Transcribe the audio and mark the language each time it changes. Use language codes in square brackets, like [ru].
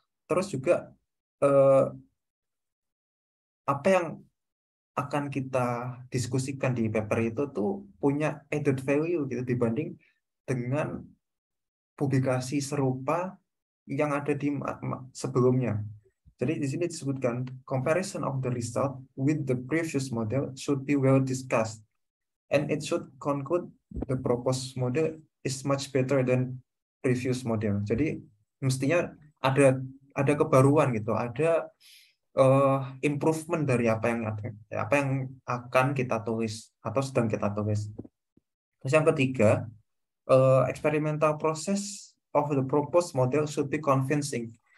[id] Terus juga apa yang akan kita diskusikan di paper itu tuh punya added value gitu dibanding dengan publikasi serupa yang ada di sebelumnya. Jadi di sini disebutkan [en] comparison of the result with the previous model should be well discussed and it should conclude the proposed model is much better than previous model. [id] Jadi mestinya ada kebaruan gitu, ada improvement dari apa yang akan kita tulis atau sedang kita tulis. Terus yang ketiga, [en] experimental process of the proposed model should be convincing.